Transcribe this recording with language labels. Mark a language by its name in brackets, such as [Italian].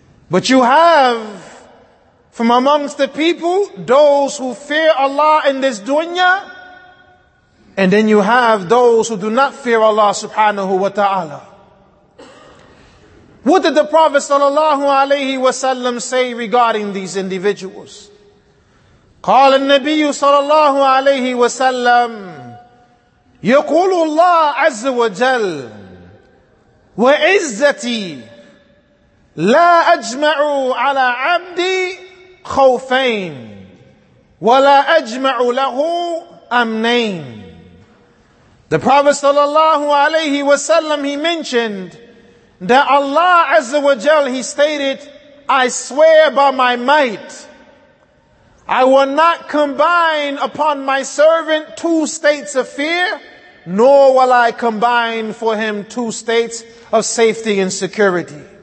[English] But you have from amongst the people those who fear Allah in this dunya, and then you have those who do not fear Allah subhanahu wa ta'ala. What did the Prophet sallallahu alaihi wasallam say regarding these individuals? [Arabic] قال النبي صلى الله عليه وسلم يقول الله عز وجل وعزتي لا أجمع على عبدي خوفين ولا أجمع له أمنين. [English] The Prophet sallallahu alaihi wasallam, he mentioned that Allah Azza wa Jal, he stated, I swear by my might, I will not combine upon my servant two states of fear, nor will I combine for him two states of safety and security.